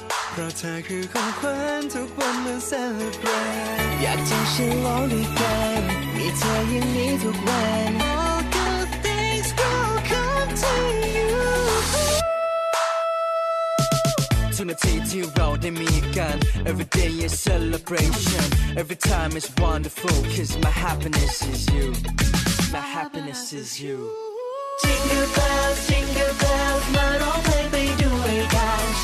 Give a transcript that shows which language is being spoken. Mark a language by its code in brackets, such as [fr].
[th] เพราะเธอคือของขวัญทุกวันมันเซเลบรี ทอยากจะฉลองด้วยกันมีเธออย่างนี้ทุกวัน [en] All good things will come to you [th] ทุกนาทีที่เราได้มีกัน [en] Every day is celebration Every time is wonderful Cause my happiness is you My happiness is you Jingle bells, jingle bells [th] มาร้องเพลงไปด้วยกัน